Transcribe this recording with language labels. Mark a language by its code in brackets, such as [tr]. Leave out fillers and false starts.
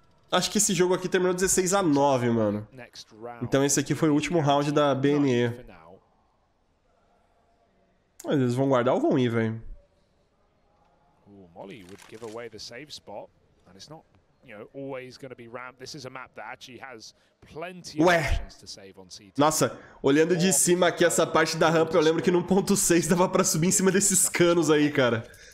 [pt] Acho que esse jogo aqui terminou 16 a 9, mano. Então esse aqui foi o último round da BNE. Mas eles vão guardar ou vão ir, velho? [en] Molly would give away the safe spot, and it's not, you know, always going to be ramp. This is a map that actually has plenty of options to save on CT. [pt] Nossa, olhando de cima aqui essa parte da rampa, eu lembro que no 1.6 dava para subir em cima desses canos aí, cara.